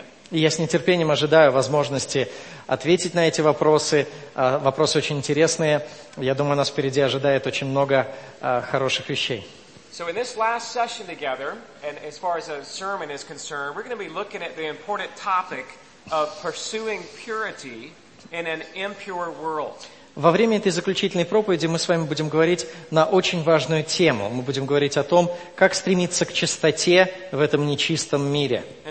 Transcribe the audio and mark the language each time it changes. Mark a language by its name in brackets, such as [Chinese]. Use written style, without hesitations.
[Russian] Я с нетерпением ожидаю возможности ответить на эти вопросы. Вопросы очень интересные. Я думаю, нас впереди ожидает очень много хороших вещей. [English] So in this last session together, and as far as a sermon is concerned, we're going to be looking at the important topic of pursuing purity in an impure world. [Russian] Во время этой заключительной проповеди мы с вами будем говорить на очень важную тему. Мы будем говорить о том, как стремиться к чистоте в этом нечистом мире.